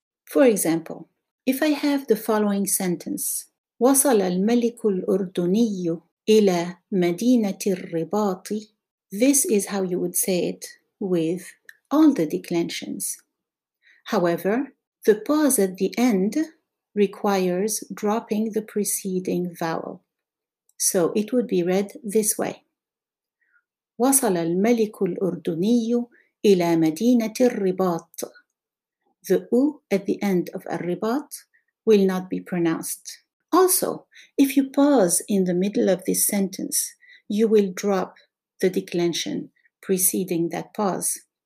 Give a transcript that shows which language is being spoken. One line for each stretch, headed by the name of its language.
English: For example, if I have the following sentence,
Arabic: وصل الملك الأردني إلى مدينة الرباط.
English: This is how you would say it with all the declensions. However, the pause at the end requires dropping the preceding vowel. So it would be read this way.
Arabic: وصل الملك الأردني إلى مدينة الرباط.
English: The U at the end of الرباط will not be pronounced. Also, if you pause in the middle of this sentence, you will drop the declension preceding that pause.